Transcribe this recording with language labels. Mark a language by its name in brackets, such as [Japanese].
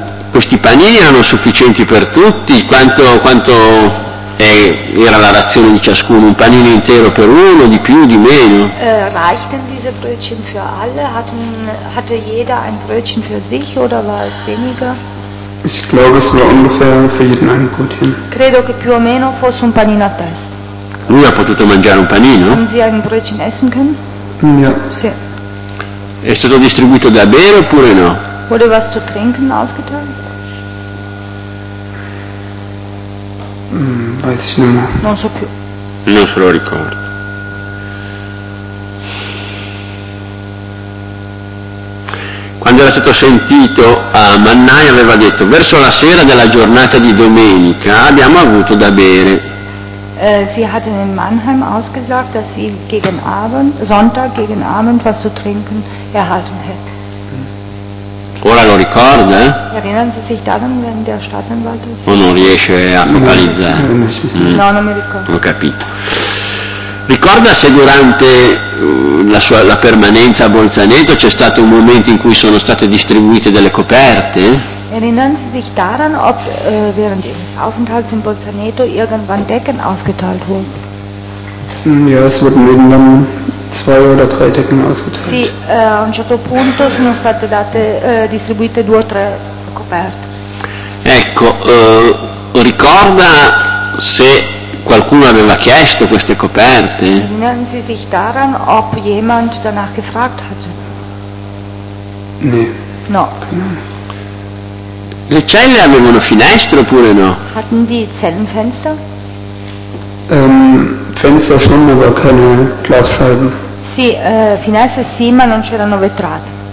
[Italian] Questi panini erano sufficienti per tutti? Quanto era la razione di ciascuno? Un panino intero per uno, di più, di meno? [German] Reichten diese Brötchen für alle? Hatte jeder ein Brötchen für sich oder war es weniger? Ich glaube, es war ungefähr für jeden ein Brötchen. [Italian] Credo che più o meno fosse un panino a testa. Lui ha potuto mangiare un panino? [German] Haben Sie ein Brötchen essen können? Ja. [Italian] Sì. È stato distribuito da bere oppure no? [German] Wurde was zu trinken ausgeteilt? Weiß ich nicht mehr. [Italian] Non so più. Non se lo ricordo. Quando era stato sentito a Mannai aveva detto: verso la sera della giornata di domenica abbiamo avuto da bere. [German] Sie hatten in Mannheim ausgesagt, dass sie gegen Abend, Sonntag gegen Abend was zu trinken erhalten hätte. [Italian] Ora lo ricorda? [German] Erinnern Sie sich daran, wenn der Staatsanwalt ist? [Italian] O non riesce a focalizzare? No, non mi ricordo. Ho capito. Ricorda se durante la permanenza a Bolzaneto c'è stato un momento in cui sono state distribuite delle coperte? [German] Erinnern Sie sich daran, ob während Ihres Aufenthalts in Bolzaneto irgendwann Decken ausgeteilt wurden? Ja, es wurden irgendwann zwei oder drei Decken ausgeteilt. [Italian] Sì, a un certo punto sono state date distribuite due o tre coperte. Ecco, ricorda se qualcuno aveva chiesto queste coperte? [German] Erinnern Sie sich daran, ob jemand danach gefragt hatte? Nee. [Italian] No. Le celle avevano finestre oppure no? [German] Hatten die Zellen Fenster? Fenster schon, aber keine Glasscheiben. [Italian] Sì, finestre sì, ma non c'erano vetrate.